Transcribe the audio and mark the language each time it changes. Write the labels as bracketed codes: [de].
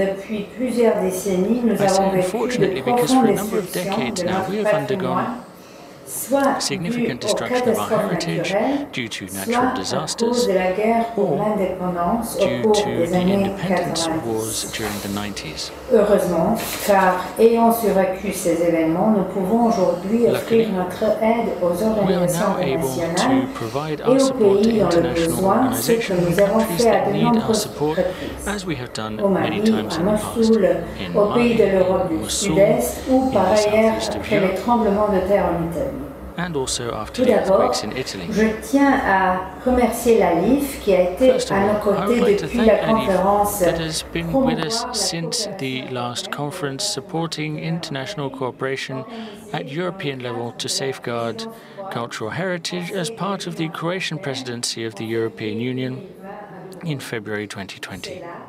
[en] I say unfortunately because for a number of decades now we have undergone significant destruction of our heritage due to natural disasters or due to the independence wars during the 90s. [fr] Heureusement, car ayant survécu ces événements, nous pouvons aujourd'hui offrir notre aide aux organisations internationales et aux pays dans le besoin, ce que nous avons fait à de nombreuses reprises, au Mali, à Mossoul, au pays de l'Europe du Sud-Est ou par ailleurs après les tremblements de terre en Italie. [en] And also after the earthquakes in Italy. [fr] Je tiens à remercier l'ALIPH qui a été à nos côtés depuis la conférence [en] that has been with us since the last conference supporting international cooperation at European level to safeguard cultural heritage as part of the Croatian presidency of the European Union in February 2020.